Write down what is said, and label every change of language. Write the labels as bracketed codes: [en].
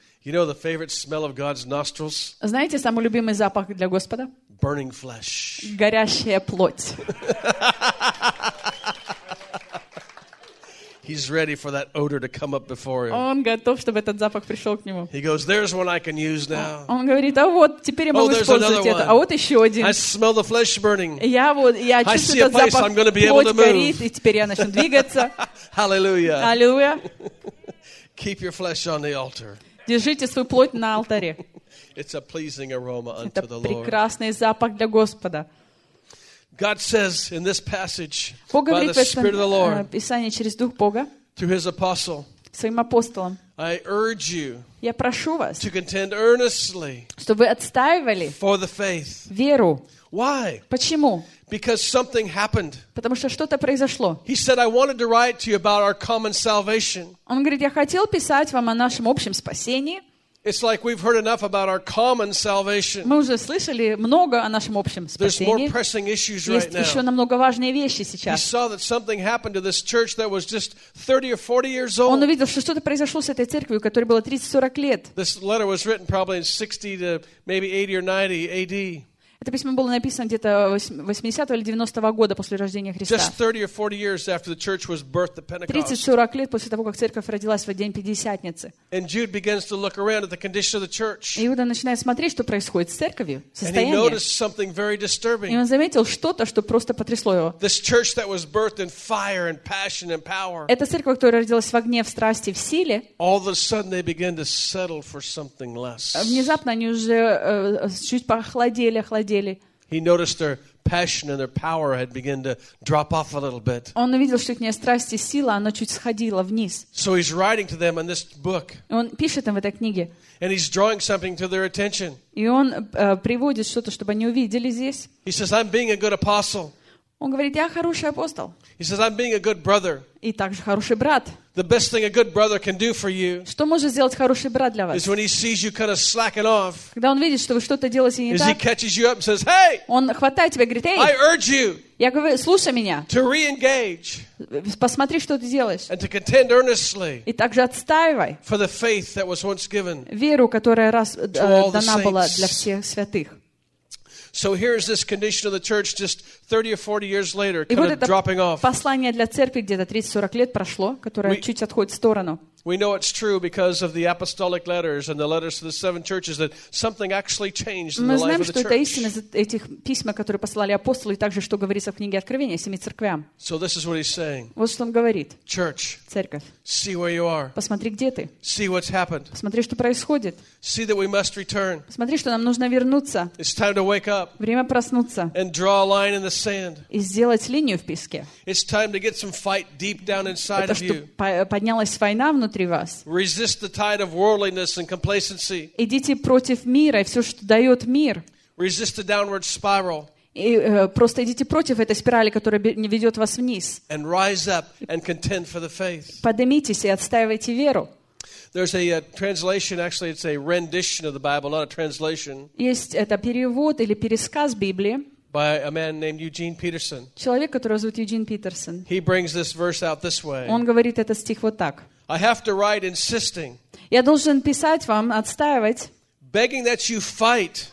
[en] You know the favorite smell of God's nostrils? [ru] Знаете самый любимый запах для Господа? [en] Burning flesh. [ru] Горящая плоть. [en] He's ready for that odor to come up before him. [ru] Он готов, чтобы этот запах пришел к нему. [en] He goes, there's one I can use now. [ru] Он говорит, а вот теперь я могу использовать это. А вот еще один. [en] I smell the flesh burning. [ru] Я вот, я чувствую этот запах. [en] I'm going to be able to move. [ru] И теперь я начну двигаться. [en] Hallelujah. [ru] Аллилуйя. [en] Keep your flesh on the altar. [ru] Держите свою плоть на алтаре. [en] It's a pleasing aroma unto the Lord. [ru] Это прекрасный запах для Господа. [en] God says in this passage by the Spirit of the Lord, [ru] Писание через Дух Бога, [en] through His apostle, [ru] своим апостолом, [en] I urge you, [ru] я прошу вас, [en] to contend earnestly, [ru] чтобы вы отстаивали, [en] for the faith, [ru] веру. [en] Why? [ru] Почему? [en] Because something happened. [ru] Потому что что-то произошло. [en] He said, I wanted to write to you about our common salvation. [ru] Он говорит, я хотел писать вам о нашем общем спасении. [en] It's like we've heard enough about our common salvation. [ru] Мы уже слышали много о нашем общем спасении. [en] There's more pressing issues right now. [ru] Есть еще намного важные вещи сейчас. [en] He saw that something happened to this church that was just 30 or 40 years old. [ru] Он увидел, что что-то произошло с этой церковью, которой было 30-40 лет. [en] This letter was written probably in 60 to maybe 80 or 90 AD. [ru] Это письмо было написано где-то 80-го или 90-го года после рождения Христа. 30-40 лет после того, как церковь родилась в день Пятидесятницы. И Иуда начинает смотреть, что происходит с церковью, состояние. И он заметил что-то, что просто потрясло его. Эта церковь, которая родилась в огне, в страсти, в силе, внезапно они уже чуть похолодели, охладели. [en] He noticed their passion and their power had begun to drop off a little bit. [ru] Он увидел, что их страсть и сила, она чуть сходила вниз. [en] So he's writing to them in this book. [ru] Он пишет им в этой книге. [en] And he's drawing something to their attention. [ru] И он приводит что-то, чтобы они увидели здесь. [en] He says, "I'm being a good apostle." [ru] Он говорит, я хороший апостол. [en] He says, "I'm being a good brother." [ru] И также хороший брат. [en] The best thing a good brother can do for you, [ru] что может сделать хороший брат для вас, [en] is when he sees you kind of slacking off, [ru] когда он видит, что вы что-то делаете не так, [en] he catches you up and says, "Hey!" [ru] Он хватает тебя и говорит, "Эй!" [en] I urge you, [ru] я говорю, слушай меня, [en] to re-engage, [ru] посмотри, что ты делаешь, [en] and to contend earnestly, [ru] и также отстаивай, [en] for the faith that was once given, [ru] веру, которая раз дана была для всех святых. [en] So here is this condition of the church just 30 or 40 years later, kind of dropping off. [ru] Послание для церкви где-то 30-40 лет прошло, которое чуть отходит в сторону. [en] We know it's true because of the apostolic letters and the letters to the seven churches that something actually changed in the life of the church. [ru] Мы знаем, что это истина из этих письма, которые послали апостолы, и также что говорится в книге Откровения семи церквям. [en] So this is what he's saying. [ru] Вот что он говорит. [en] Church. [ru] Церковь. [en] See where you are. [ru] Посмотри, где ты. [en] See what's happened. [ru] Посмотри, что происходит. [en] See that we must return. [ru] Посмотри, что нам нужно вернуться. [en] It's time to wake up. [ru] Время проснуться. [en] And draw a line in the sand. [ru] И сделать линию в песке. [en] It's time to get some fight deep down inside of you. [ru] Поднялась война внутри. [en] Resist the tide of worldliness and complacency. [ru] Идите против мира и все, что дает мир. [en] Resist the downward spiral. [ru] И просто идите против этой спирали, которая ведет вас вниз. [en] And rise up and contend for the faith. [ru] Поднимитесь и отстаивайте веру. [en] There's a translation. Actually, it's a rendition of the Bible, not a translation. [ru] Есть это перевод или пересказ Библии. [en] By a man named Eugene Peterson. [ru] Человек, которого зовут Юджин Питерсон. [en] He brings this verse out this way. [ru] Он говорит этот стих вот так. [en] I have to write insisting. [ru] Я должен писать вам, отстаивать. [en] Begging that you fight.